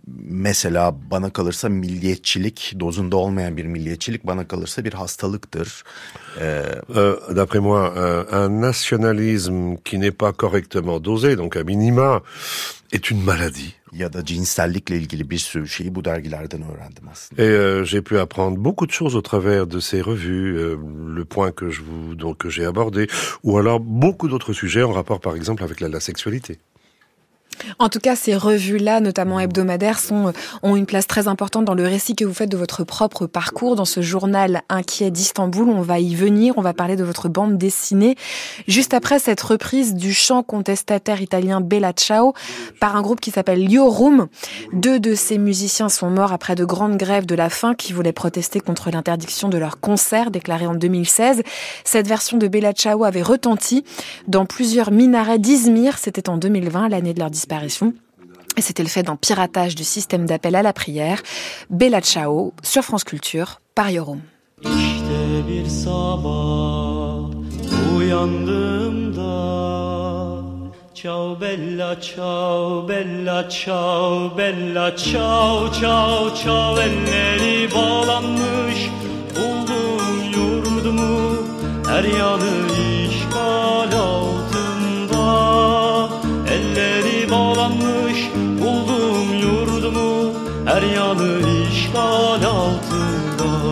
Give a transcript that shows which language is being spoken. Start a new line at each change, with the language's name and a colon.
Turkish: Mesela bana kalırsa milliyetçilik, dozunda olmayan bir milliyetçilik bana kalırsa bir hastalıktır.
French: D'après moi, un nationalisme qui n'est pas correctement dosé, donc à minima, est une maladie.
Turkish: Ya da cinsellikle ilgili bir sürü şeyi bu dergilerden öğrendim aslında.
French: Et j'ai pu apprendre beaucoup de choses au travers de ces revues, le point que j'ai abordé, ou alors beaucoup d'autres sujets en rapport par exemple avec la sexualité. En tout cas, ces revues-là, notamment hebdomadaires, ont une place très importante dans le récit que vous faites de votre propre parcours. Dans ce journal inquiet d'Istanbul, on va y venir, on va parler de votre bande dessinée. Juste après cette reprise du chant contestataire italien Bella Ciao par un groupe qui s'appelle Yo Room, deux de ces musiciens sont morts après de grandes grèves de la faim qui voulaient protester contre l'interdiction de leurs concerts déclarés en 2016. Cette version de Bella Ciao avait retenti dans plusieurs minarets d'Izmir, c'était en 2020, l'année de leur disparition. Et c'était le fait d'un piratage du système d'appel à la prière. Bella Ciao, sur France Culture, par Yo Room.
Turkish: İşte bir sabah uyandığımda
Italian: Ciao bella ciao bella ciao bella ciao ciao
Turkish: ciao elleri bağlanmış buldum yurdumu her yanı işgal altında elleri bağlanmış buldum yurdumu her yanı işgal altında